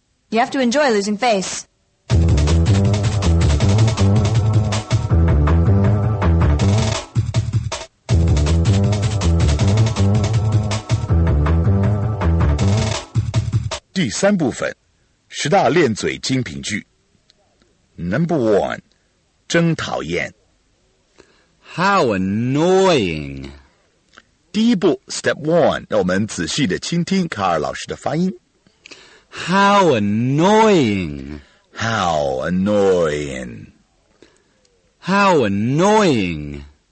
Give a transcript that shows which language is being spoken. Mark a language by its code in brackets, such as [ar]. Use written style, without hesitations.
[en] You have to enjoy losing face. Do you have to enjoy losing face? [zh] 第三部分，十大练嘴精品句。 [en] Number one, [zh] 真讨厌. [en] How annoying. [zh] 第一步, [en] step one, [zh] 让我们仔细地倾听卡尔老师的发音。 [en] How annoying. How annoying. How annoying.